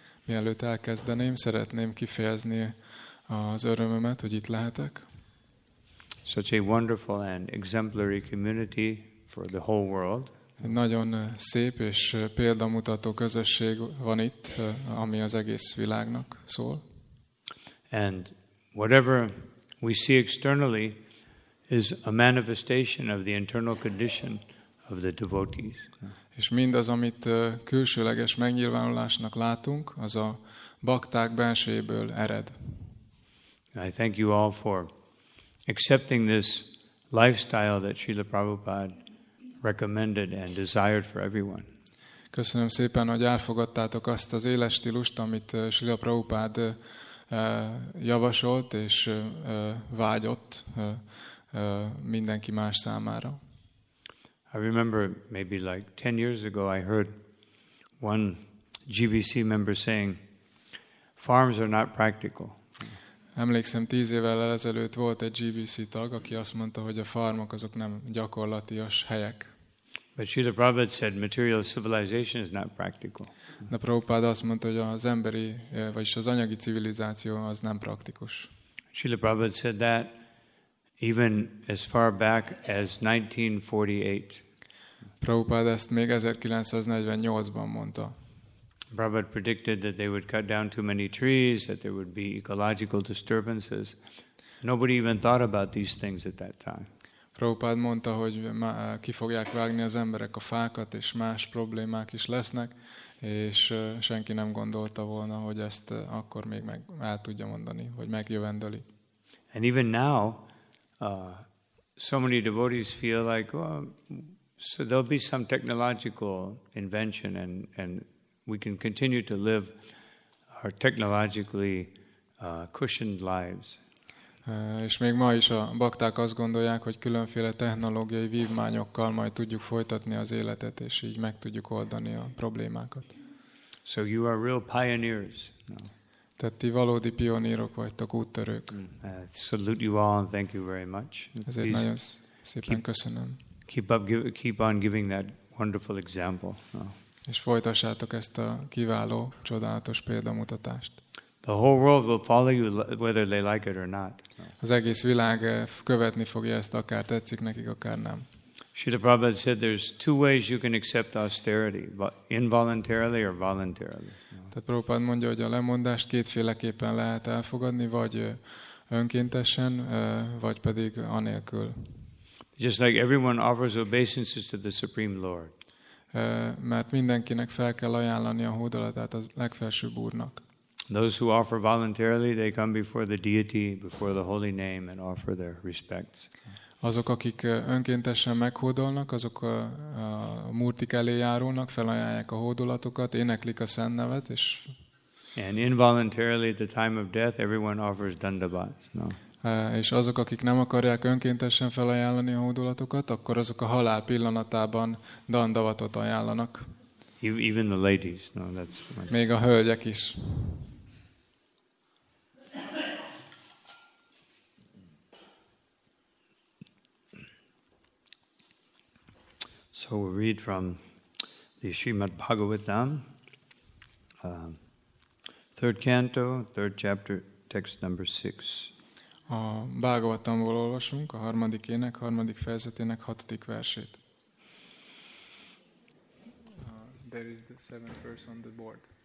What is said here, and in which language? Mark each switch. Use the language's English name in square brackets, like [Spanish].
[Hungarian] Mielőtt elkezdeném, szeretném kifejezni az örömömet, hogy itt lehetek. [English] Such a wonderful and exemplary community for the whole world. [Hungarian] Egy nagyon szép és példamutató közösség van itt, ami az egész világnak szól. [English] And whatever we see externally is a manifestation of the internal condition of the devotees. [Hungarian] És mindaz, amit külsőleges megnyilvánulásnak látunk, az a bakták belsejéből ered. [English] I thank you all for accepting this lifestyle that Srila Prabhupada recommended and desired for everyone. [Hungarian] Köszönöm szépen, hogy elfogadtátok azt az életstílust, amit Srila Prabhupada javasolt és vágyott mindenki más számára. [English] I remember maybe like 10 years ago I heard one GBC member saying farms are not practical. [Hungarian] Emlékszem 10 évvel ezelőtt volt egy GBC tag, aki azt mondta, hogy a farmok azok nem gyakorlatias helyek. [English] But Srila Prabhupada said material civilization is not practical. [Hungarian] De Prabhupada azt mondta, hogy az emberi vagyis az anyagi civilizáció az nem praktikus. [English] Srila Prabhupada said that even as far back as 1948. [Hungarian] Prabhupada ezt még 1948-ban mondta. [English] Prabhupada predicted that they would cut down too many trees, that there would be ecological disturbances. Nobody even thought about these things at that time. [Hungarian] Prabhupada mondta, hogy ki fogják vágni az emberek a fákat, és más problémák is lesznek, és senki nem gondolta volna, hogy ezt akkor még meg el tudja mondani, hogy megjövendöli. [English] And even now, so many devotees feel like, oh, so there'll be some technological invention and we can continue to live our technologically cushioned lives. [Hungarian] És még ma is a bakták azt gondolják, hogy különféle technológiai vívmányokkal majd tudjuk folytatni az életet, és így meg tudjuk oldani a problémákat. [English] So you are real pioneers. [Hungarian] Tehát ti valódi pionírok vagytok, úttörők. [English] Salute you all and thank you very much. [Hungarian] Ezért nagyon szépen köszönöm. [English] Keep on giving that wonderful example. [Hungarian] És folytassátok ezt a kiváló, csodálatos példamutatást. [English] The whole world will follow you whether they like it or not. [Hungarian] Az egész világ követni fogja ezt, akár tetszik nekik, akár nem. [English] Srila Prabhupada said there's two ways you can accept austerity, involuntarily or voluntarily. [Hungarian] Tehát Prabhupád mondja, hogy a lemondást kétféleképpen lehet elfogadni, vagy önkéntesen, vagy pedig anélkül. [English] Just like everyone offers obeisances to the Supreme Lord. [Hungarian] Mert mindenkinek fel kell ajánlani a hódolatát az legfelsőbb úrnak. [English] Those who offer voluntarily, they come before the deity, before the holy name, and offer their respects. [Hungarian] Azok, akik önkéntesen meghódolnak, azok a Murtik elé járulnak, felajánlják a hódolatokat, éneklik a szent nevet, és... [English] And involuntarily at the time of death, everyone offers dandavat. No. [Hungarian] És azok, akik nem akarják önkéntesen felajánlani a hódolatokat, akkor azok a halál pillanatában dandavatot ajánlanak. [English] Even the ladies. No, that's my... [Hungarian] Még a hölgyek is. [English] So we we'll read from the Srimad Bhagavatam, third canto, third chapter, text number 6. [Hungarian] A Bhagavatamból olvasunk a harmadik ének, harmadik fejezetének hatodik versét. [English] There is the seventh verse on the board.